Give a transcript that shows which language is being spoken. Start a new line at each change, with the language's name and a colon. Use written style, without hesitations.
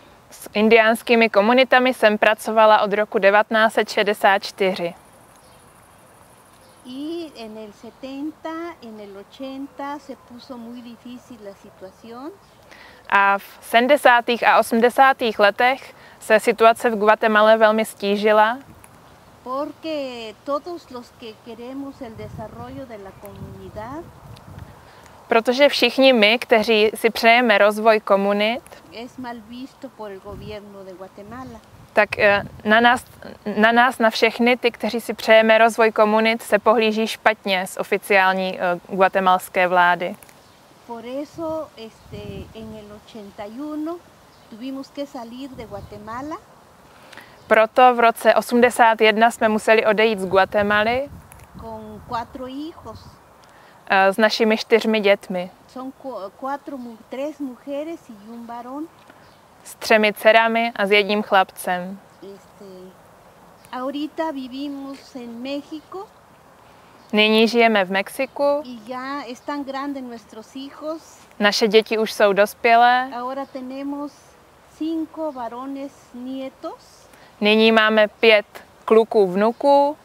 Czech: S indiánskými komunitami jsem pracovala od roku 1964.
Spanish: Y en el 70, en el 80 se puso muy difícil la situación.
Czech: A v 70. a 80. letech se situace v Guatemale velmi stížila.
Spanish: Porque todos los que queremos el desarrollo de la comunidad.
Czech: Protože všichni my, kteří si přejeme rozvoj komunit,
Spanish: es mal visto por el gobierno de Guatemala.
Czech: Tak na nás, na všechny ty, kteří si přejeme rozvoj komunit, se pohlíží špatně z oficiální guatemalské vlády.
Spanish: Por eso en el 81 tuvimos que salir de Guatemala.
Czech: Proto v roce 81 jsme museli odejít z Guatemaly.
Spanish: Con cuatro hijos.
Czech: S našimi čtyřmi dětmi.
Spanish: Son cuatro, tres mujeres y un varón.
Czech: S třemi dcerami a s jedním chlapcem.
Spanish: Ahorita vivimos en México.
Czech: Nyní žijeme v Mexiku.
Spanish: Y ya están grandes nuestros hijos.
Czech: Naše děti už jsou dospělé.
Spanish: Ahora tenemos cinco varones nietos.
Czech: Nyní máme pět kluků vnuků,